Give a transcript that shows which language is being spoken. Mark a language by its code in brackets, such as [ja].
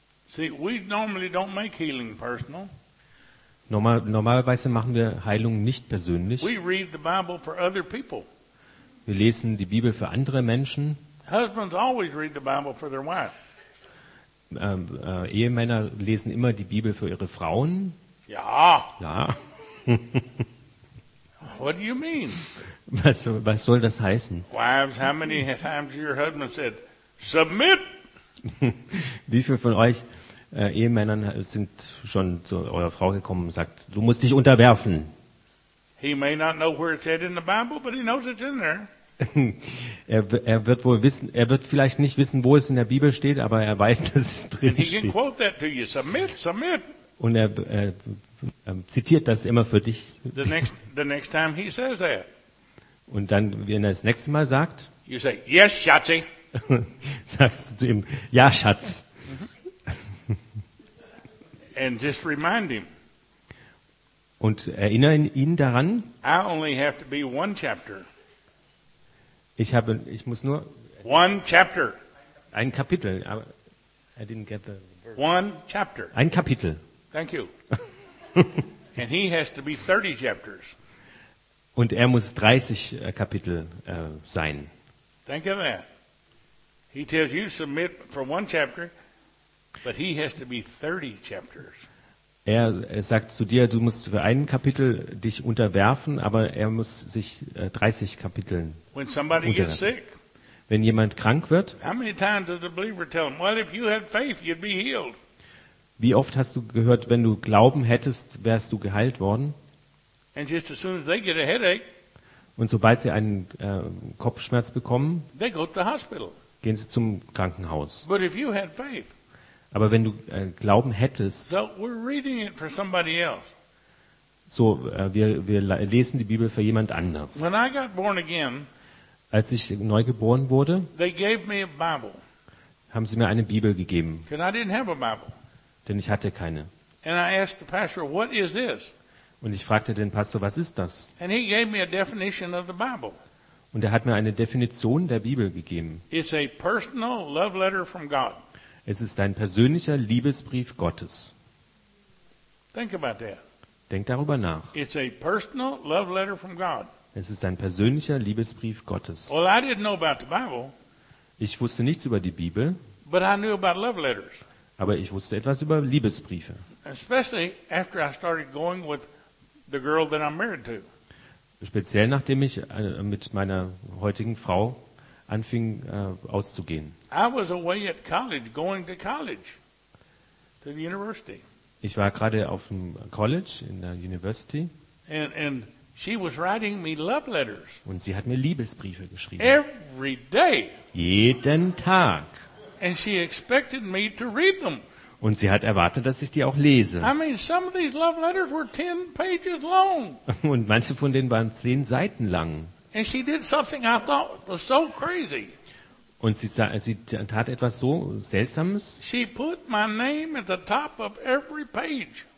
[en] See, we normally don't make healing personal. [de] Normalerweise machen wir Heilung nicht persönlich. [en] We read the Bible for other people. [de] Wir lesen die Bibel für andere Menschen. [en] Husbands always read the Bible for their wife. [de] Ehemänner lesen immer die Bibel für ihre Frauen. Ja. Ja. [en] What do you mean? [de] Was soll das heißen? [en] Wives, how many times your husband said, submit? [de] Wie viele von euch Ehemännern sind schon zu eurer Frau gekommen und sagt, du musst dich unterwerfen? [en] He may not know where it's at in the Bible, but he knows it's in there. [de] Er wird wohl wissen, er wird vielleicht nicht wissen, wo es in der Bibel steht, aber er weiß, dass es drin steht. [en] And he can quote that to you, submit, submit. [de] Und er zitiert das immer für dich. [en] The next time he says that. [de] Und dann, wenn er das nächste Mal sagt, [en] you say, yes, Schatzi. [de] Sagst du zu ihm, ja, Schatz. [en] And just remind him. [de] Und erinnere ihn daran. [en] I only have to be one chapter. [de] Ich muss nur [en] one chapter. [de] Ein Kapitel. [en] I didn't get the verse. One chapter. [de] Ein Kapitel. [en] Thank you. And he has to be 30 chapters. [de] Und er muss 30 Kapitel sein. [en] Think of that. He tells you submit for one chapter, but he has to be 30 chapters. [de] Er sagt zu dir, du musst für ein Kapitel dich unterwerfen, aber er muss sich 30 Kapiteln [en] when somebody [de] unterwerfen. [en] Gets sick, [de] wenn jemand krank wird, [en] how many times does a believer tell him, well, if you had faith, you'd be healed? [de] Wie oft hast du gehört, wenn du Glauben hättest, wärst du geheilt worden? [en] And just as soon as they get a headache, [de] und sobald sie einen Kopfschmerz bekommen, [en] they go to the hospital. [de] Gehen sie zum Krankenhaus. [en] But if you had faith, [de] aber wenn du Glauben hättest, [en] so, we're reading it for somebody else. [de] So wir lesen die Bibel für jemand anders. [en] When I got born again, [de] als ich neu geboren wurde, [en] they gave me a Bible, [de] haben sie mir eine Bibel gegeben. [en] I didn't have a Bible. [de] Denn ich hatte keine. [en] And I asked the pastor, what is this? [de] Und ich fragte den Pastor, was ist das? [en] And he gave me a definition of the Bible. [de] Und er hat mir eine Definition der Bibel gegeben. [en] It's a personal love letter from God. [de] Es ist ein persönlicher Liebesbrief Gottes. [en] Think about that. [de] Denk darüber nach. [en] It's a personal love letter from God. [de] Es ist ein persönlicher Liebesbrief Gottes. [en] Well, I didn't know about the Bible, [de] ich wusste nichts über die Bibel, [en] but I knew about love letters. [de] Aber ich wusste etwas über Liebesbriefe. [en] Especially after I started going with the girl that I'm married to. [de] Speziell nachdem ich mit meiner heutigen Frau anfing auszugehen. [en] I was away at college, going to college, to the university. [de] Ich war gerade auf dem College, in der University. [en] And she was writing me love letters. [de] Und sie hat mir Liebesbriefe geschrieben. [en] Every day. [de] Jeden Tag. [en] And she expected me to read them. [de] Und sie hat erwartet, dass ich die auch lese. [en] I mean, some of these love letters were 10 pages long. [de] Und manche von denen waren 10 Seiten lang. [en] And she did something I thought was so crazy. [de] Und sie tat etwas so Seltsames. [en] She put my name at the top of every page.